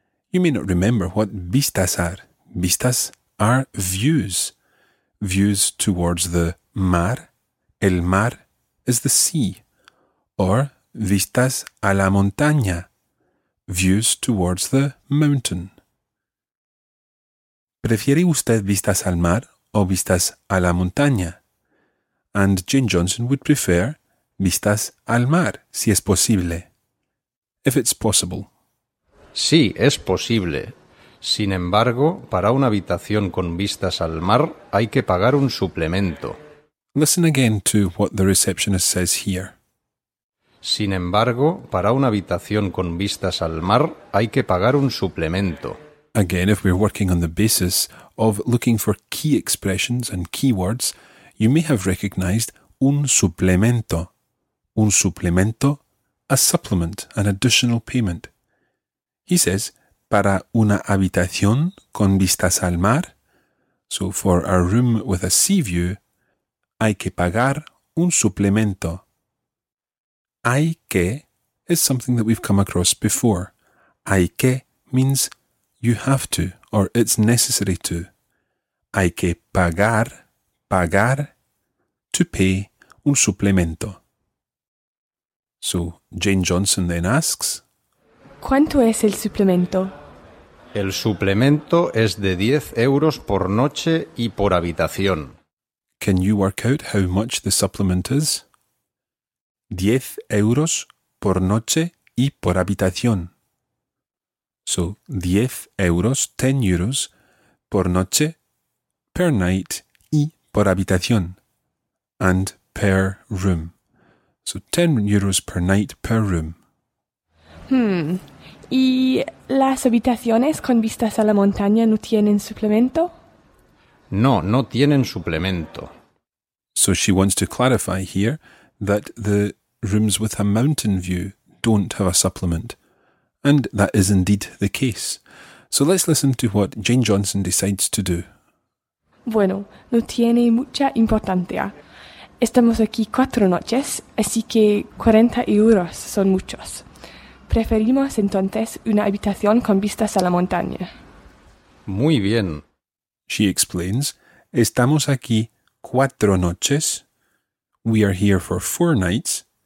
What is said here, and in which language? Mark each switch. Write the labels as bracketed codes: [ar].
[en] You may not remember what vistas are. Vistas are views. Views towards the mar. [es] El mar [en] is the sea. Or [es] vistas a la montaña. [en] Views towards the mountain. [es] ¿Prefiere usted vistas al mar o vistas a la montaña? [en] And Jane Johnson would prefer [es] vistas al mar, si es posible. [en] If it's possible. [es] Sí, es posible. Sin embargo, para una habitación con vistas al mar hay que pagar un suplemento. [en] Listen again to what the receptionist says here. [es] Sin embargo, para una habitación con vistas al mar hay que pagar un suplemento. [en] Again, if we're working on the basis of looking for key expressions and keywords, you may have recognized un suplemento. [es] Un suplemento, [en] a supplement, an additional payment. He says, [es] para una habitación con vistas al mar, [en] so for a room with a sea view, [es] hay que pagar un suplemento. Hay que [en] is something that we've come across before. [es] Hay que [en] means you have to or it's necessary to. [es] Hay que pagar, pagar, [en] to pay [es] un suplemento. [en] So Jane Johnson then asks, [es] ¿Cuánto es el suplemento? El suplemento es de 10 euros por noche y por habitación. [en] Can you work out how much the supplement is? [es] 10 euros por noche y por habitación. [en] So, 10 euros, 10 euros, [es] por noche, [en] per night, [es] y por habitación, [en] and per room. So, 10 euros per night, per room. [es] ¿Y las habitaciones con vistas a la montaña no tienen suplemento? No, no tienen suplemento. [en] So she wants to clarify here that the rooms with a mountain view don't have a supplement. And that is indeed the case. So let's listen to what Jane Johnson decides to do. [es] Bueno, no tiene mucha importancia. Estamos aquí 4 noches, así que 40 euros son muchos. Preferimos entonces una habitación con vistas a la montaña. Muy bien. [en] She explains, [es] estamos aquí 4 noches. [en] We are here for 4 nights.